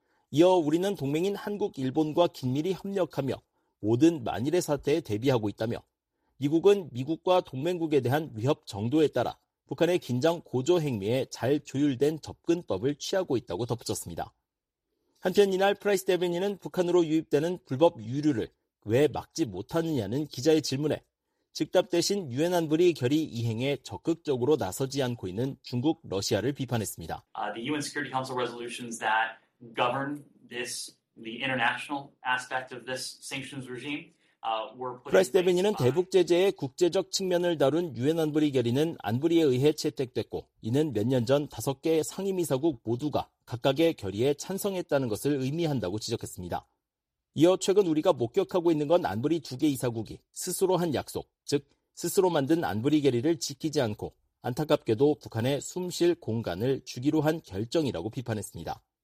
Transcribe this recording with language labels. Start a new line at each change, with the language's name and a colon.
Korean: 이어 우리는 동맹인 한국, 일본과 긴밀히 협력하며 모든 만일의 사태에 대비하고 있다며 미국은 미국과 동맹국에 대한 위협 정도에 따라 북한의 긴장 고조 행위에 잘 조율된 접근법을 취하고 있다고 덧붙였습니다. 한편 이날 프라이스 대변인은 북한으로 유입되는 불법 유류를 왜 막지 못하느냐는 기자의 질문에 즉답 대신 유엔 안보리 결의 이행에 적극적으로 나서지 않고 있는 중국, 러시아를 비판했습니다.
English: The UN Security Council resolutions that govern this, the international aspect of this sanctions regime.
Korean: 프라이스 대변인은 대북 제재의 국제적 측면을 다룬 유엔 안보리 결의는 안보리에 의해 채택됐고 이는 몇 년 전 5개 상임이사국 모두가 각각의 결의에 찬성했다는 것을 의미한다고 지적했습니다. 이어 최근 우리가 목격하고 있는 건 안보리 2개 이사국이 스스로 한 약속, 즉 스스로 만든 안보리 결의를 지키지 않고 안타깝게도 북한의 숨쉴 공간을 주기로 한 결정이라고 비판했습니다.